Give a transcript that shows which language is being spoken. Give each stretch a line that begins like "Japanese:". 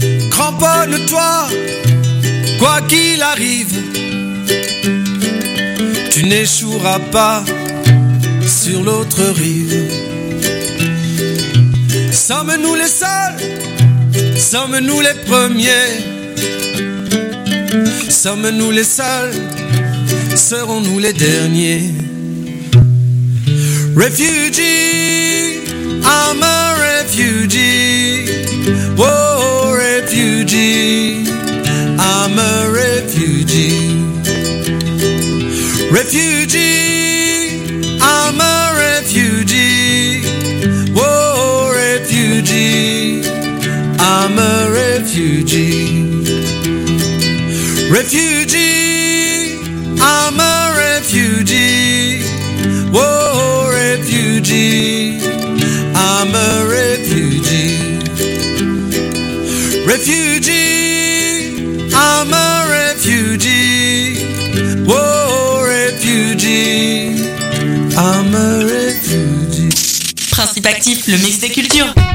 French: Cramponne-toi, quoi qu'il arrive, tu n'échoueras pas sur l'autre rive. Sommes-nous les seuls? Sommes-nous les premiers? Sommes-nous les seuls? Serons-nous les derniers?
English: Refugee, I'm a refugee, oh, oh refugee, I'm a refugee. Refugee, I'm a refugee, oh, oh refugee, I'm a refugee. Refugee, I'm a refugee, oh, oh refugee, I'm a refugee. Refugee, I'm a refugee, oh, refugee, I'm a refugee.
French: Principe actif, le mix des cultures.